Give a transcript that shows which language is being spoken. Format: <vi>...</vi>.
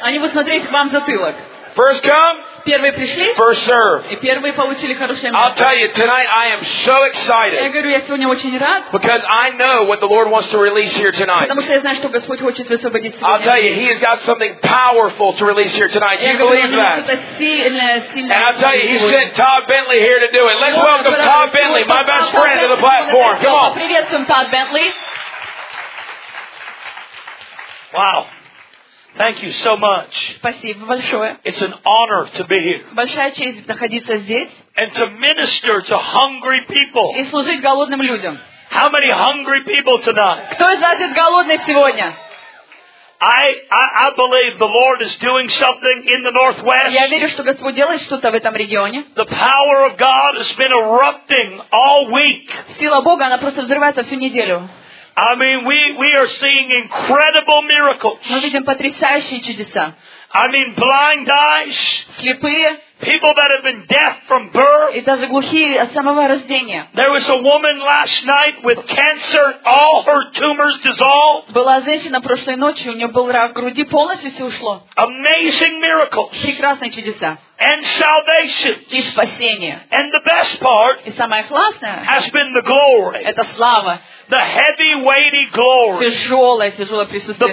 <ru>Они будут смотреть вам в затылок.</ru> <en>First come,</en> <ru>первые пришли,</ru> <en>first serve.</en> <ru>И первые получили хорошее место.</ru> <en>I'll tell you, tonight I am so excited.</en> <ru>Я говорю, я сегодня очень рад.</ru> <en>Because I know what the Lord wants to release here tonight.</en> <ru>Потому что я знаю, что Господь хочет высвободить сегодня.</ru> <en>I'll tell you, He has got something powerful to release here tonight. Do you believe that? And I'll tell you, He sent Todd Bentley here to do it. Let's welcome Todd Bentley, my best friend, to the platform. Come on.</en> <ru>Приветствуем Todd Bentley.</ru> <en>Wow. Thank you so much.</en> <ru>Спасибо большое.</ru> <en>It's an honor to be here.</en> <ru>Большая честь находиться здесь.</ru> <en>And to minister to hungry people.</en> <ru>И служить голодным людям.</ru> <en>How many hungry people tonight?</en> <ru>Кто из вас здесь голодный сегодня?</ru> <en>I believe the Lord is doing something in the Northwest.</en> <ru>Я верю, что Господь делает что-то в этом регионе.</ru> <en>The power of God has been erupting all week.</en> <ru>Сила Бога, она просто взрывается всю неделю.</ru> <en>I mean, we are seeing incredible miracles.</en> <ru>Мы видим потрясающие чудеса.</ru> <en>I mean, blind eyes.</en> <ru>Слепые.</ru> <en>People that have been deaf from birth.</en> <ru>И даже глухие от самого рождения.</ru> <en>There was a woman last night with cancer, all her tumors dissolved.</en> <ru>Была женщина прошлой ночью, у нее был рак груди, полностью все ушло.</ru> <en>Amazing miracles.</en> <ru>Прекрасные чудеса.</ru> <en>And salvation.</en> <ru>И спасение.</ru> <en>And the best part.</en> <ru>И самое классное.</ru> <en>Has been the glory.</en> <ru>Это слава.</ru> <en>The heavy, weighty glory.</en> <ru>Тяжелое присутствие.</ru>